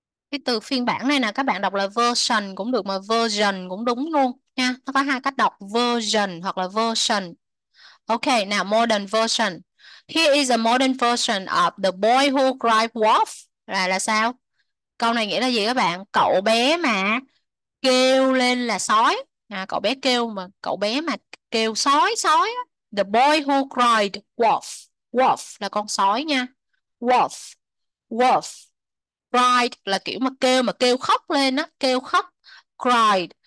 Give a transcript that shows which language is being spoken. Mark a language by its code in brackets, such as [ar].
[vi] Cái từ phiên bản này nè, các bạn đọc là version cũng được mà version cũng đúng luôn nha. Nó có hai cách đọc, version hoặc là version. [en] Ok, now modern version. Here is a modern version of the boy who cried wolf. [vi] Là sao? Câu này nghĩa là gì các bạn? Cậu bé mà kêu lên là sói. À, cậu bé kêu mà, cậu bé mà kêu sói sói. [en] The boy who cried wolf. Wolf [vi] là con sói nha. [en] Wolf. Wolf. [vi] Cried là kiểu mà kêu khóc lên á, kêu khóc. Cried.